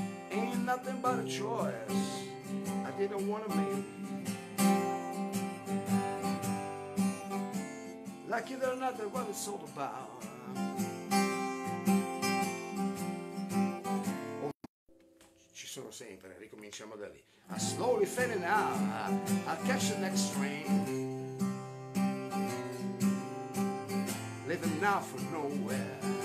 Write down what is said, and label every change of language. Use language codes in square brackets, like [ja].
[en] Ain't nothing but a choice I didn't want to make. Like it or not, that's what it's all about. [it] Ci sono sempre, ricominciamo da lì. [en] I slowly fading out, I'll catch the next train. Living now from nowhere.